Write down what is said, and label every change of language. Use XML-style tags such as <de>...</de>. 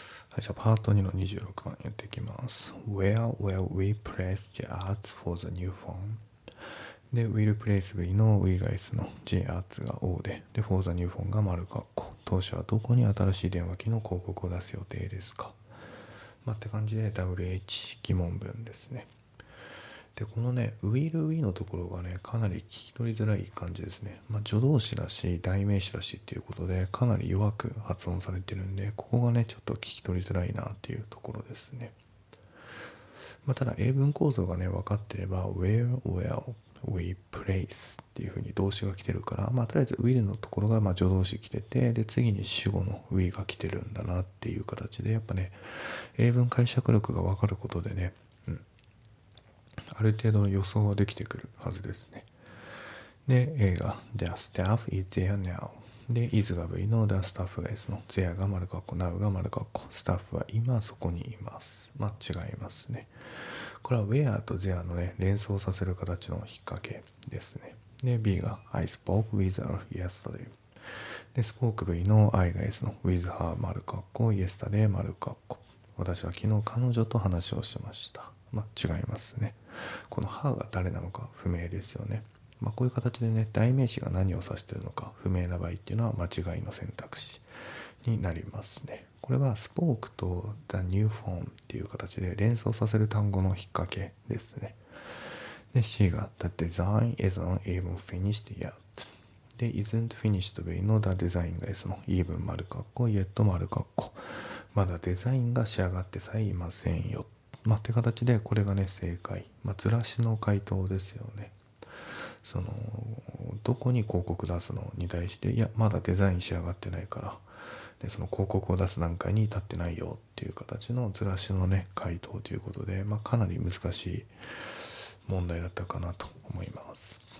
<ja>はい、じゃあパート2の26番やっていきます。</ja> <en>Where will we place the arts for the new phone?</en> <ja>で、</ja> <en>will place we</en> <ja>の we が s の the arts が o で、で、for the new phone が丸括弧。当社はどこに新しい電話機の広告を出す予定ですか、まあ、って感じで WH 疑問文ですね。で、このね、will we のところがね、かなり聞き取りづらい感じですね。まあ、助動詞だし、代名詞だしっていうことで、かなり弱く発音されてるんで、ここがね、ちょっと聞き取りづらいなっていうところですね。まあ、ただ、英文構造がね、分かってれば、where, where, we, place っていうふうに動詞が来てるから、まあ、とりあえず will のところがまあ助動詞来てて、で、次に主語の we が来てるんだなっていう形で、やっぱね、英文解釈力が分かることでね、ある程度の予想はできてくるはずですね。で、A が</ja> <en>Their staff is there now。</en> <ja>で、is が V の Their staff が S の There が丸括弧、Now が丸括弧、Staff は今そこにいます。まあ、違いますね。これは Where と There のね、連想させる形の引っ掛けですね。で、B が</ja> <en>I spoke with her yesterday。</en> <ja>で、spoke V の I が S の With her 丸括弧、Yesterday 丸括弧。私は昨日彼女と話をしました。まあ、違いますね。この母が誰なのか不明ですよね。まあ、こういう形でね、代名詞が何を指しているのか不明な場合っていうのは間違いの選択肢になりますね。これはスポークと the new phone っていう形で連想させる単語の引っ掛けですね。で、 C が</ja> <en>the design isn't even finished yet。</en> <ja>で、 isn't finished be の the design が S の even 丸括弧 yet 丸括弧、まだデザインが仕上がってさえいませんよ。まあ、って形でこれがね、正解、まあ、ずらしの回答ですよね。そのどこに広告出すのに対して、いや、まだデザイン仕上がってないから、で、その広告を出す段階に至ってないよっていう形のずらしのね、回答ということで、まあ、かなり難しい問題だったかなと思います。</ja>